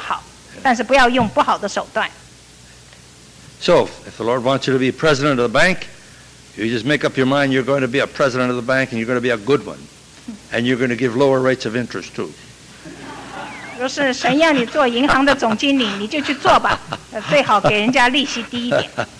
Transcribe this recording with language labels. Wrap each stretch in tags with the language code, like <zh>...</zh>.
<zh>若是你在世上做事的时候，你们就要尽量的争取，不要假谦卑，好像哦，我是基督徒，我不争取这些。神要我们无论做什么都尽力的而为，然后做得好，但是不要用不好的手段。</zh> <en>So, if the Lord wants you to be president of the bank, you just make up your mind you're going to be a president of the bank and you're going to be a good one. And you're going to give lower rates of interest too.</en> <zh>若是神要你做银行的总经理，你就去做吧，最好给人家利息低一点。</zh>